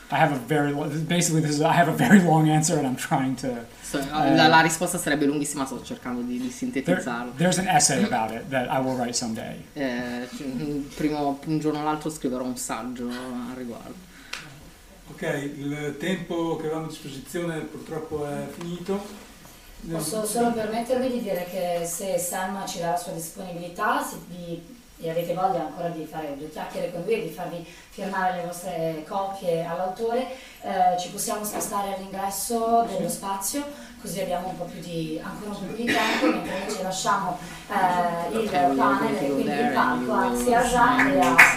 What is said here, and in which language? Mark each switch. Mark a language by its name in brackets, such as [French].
[English] I have a very long answer and I'm trying to... [Italian] La risposta sarebbe lunghissima, sto cercando di sintetizzarlo. [English] There's an essay about it that I will write someday. [Italian] Un giorno o l'altro scriverò un saggio al riguardo. Ok, il tempo che avevamo a disposizione purtroppo è finito. Posso solo permettervi di dire che se Sam ci dà la sua disponibilità e avete voglia ancora di fare due chiacchiere con lui e di farvi firmare le vostre copie all'autore, ci possiamo spostare all'ingresso dello spazio, così abbiamo un po' più di, ancora un po' più di tempo, mentre noi ci lasciamo il panel e quindi il palco sia a Jean e a...